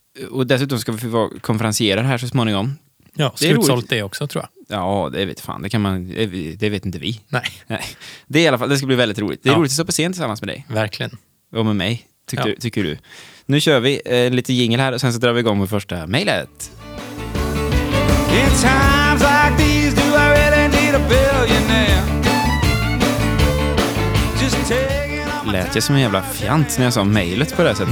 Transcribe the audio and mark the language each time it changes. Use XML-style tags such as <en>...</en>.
<sv>Och dessutom ska vi vara konferencierare här så småningom. Ja, slutsålt det också, tror jag. Ja, det vet fan, det vet inte vi. Nej. Det är i alla fall, det ska bli väldigt roligt. Det är roligt att stå på scen tillsammans med dig. Verkligen. Och med mig, tycker du. Nu kör vi en liten jingle här och sen så drar vi igång med första mejlet.</sv> <en>In times like these, do I really need a billionaire?</en> <sv>Just lät jag som en jävla fjant när jag sa mejlet på det sättet?</sv>